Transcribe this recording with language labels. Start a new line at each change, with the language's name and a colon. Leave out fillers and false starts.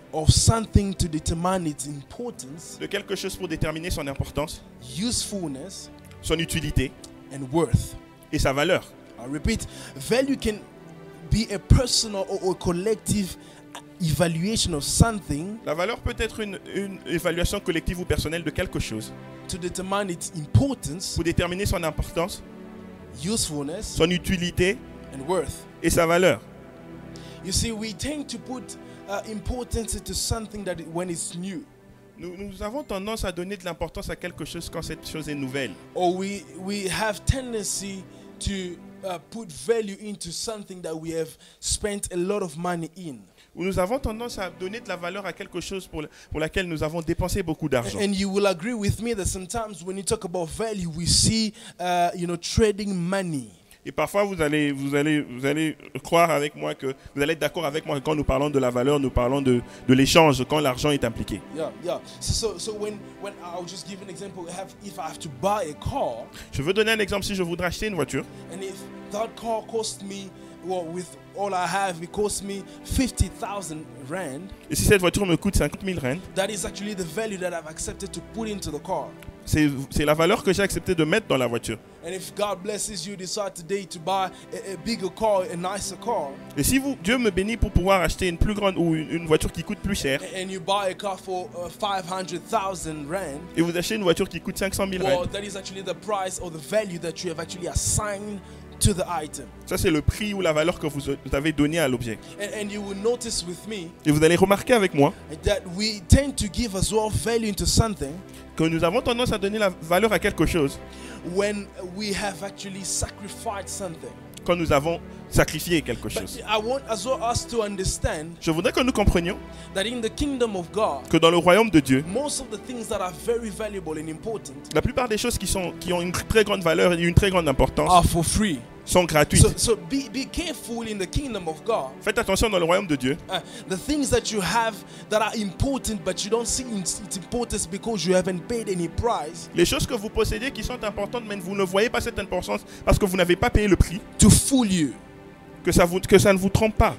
English: of something to determine its importance,
French: de quelque chose pour déterminer son importance,
English: usefulness,
French: son utilité,
English: and worth,
French: et sa valeur.
English: I repeat, value can be a personal or a collective evaluation of something.
French: La valeur peut être une évaluation collective ou personnelle de quelque chose
English: to determine its importance,
French: pour déterminer son importance,
English: usefulness,
French: son utilité,
English: and worth,
French: et sa valeur.
English: You see, we tend to put importance to something that when it's new.
French: Nous avons tendance à donner de l'importance à quelque chose quand cette chose est nouvelle.
English: Or we have tendency to put value into something that we have spent a lot of money in.
French: Ou nous avons tendance à donner de la valeur à quelque chose pour laquelle nous avons dépensé beaucoup d'argent.
English: And you will agree with me that sometimes when you talk about value, we see trading money.
French: Et parfois, vous allez croire avec moi que vous allez être d'accord avec moi que quand nous parlons de la valeur, nous parlons de l'échange quand l'argent est impliqué.
English: So when I'll just give an example, if I have to buy a car.
French: Je veux donner un exemple si je voudrais acheter une voiture.
English: And if that car cost me with all I have, it cost me 50,000 rand.
French: Et si cette voiture me coûte 50 000 rand,
English: that is actually the value that I've accepted to put into the car.
French: C'est la valeur que j'ai accepté de mettre dans la voiture.
English: And if God blesses you, decide today to buy a bigger car, a nicer car.
French: Et si vous, Dieu me bénit pour pouvoir acheter une plus grande ou une voiture qui coûte plus cher.
English: And you buy a car for 500,000 rand.
French: Et vous achetez une voiture qui coûte 500 000 rand.
English: Well, that is actually the price or the value that you have actually assigned to the item.
French: Ça c'est le prix ou la valeur que vous avez donné à l'objet.
English: And you will notice with me.
French: Et vous allez remarquer avec moi.
English: That we tend to give as well value into something.
French: Que nous avons tendance à donner la valeur à quelque chose.
English: When we have actually sacrificed something.
French: Quand nous avons sacrifié quelque chose.
English: But I want as well us to understand.
French: Je voudrais que nous comprenions.
English: That in the kingdom of God.
French: Que dans le royaume de Dieu.
English: Most of the things that are very valuable and important.
French: La plupart des choses qui ont une très grande valeur et une très grande importance.
English: Are for free.
French: Sont gratuites.
English: So be careful in the kingdom of God.
French: Faites attention dans le royaume de Dieu.
English: The things that you have that are important, but you don't see its importance because you haven't paid any price.
French: Les choses que vous possédez qui sont importantes, mais vous ne voyez pas cette importance parce que vous n'avez pas payé le prix.
English: To fool you.
French: Que ça ne vous trompe pas.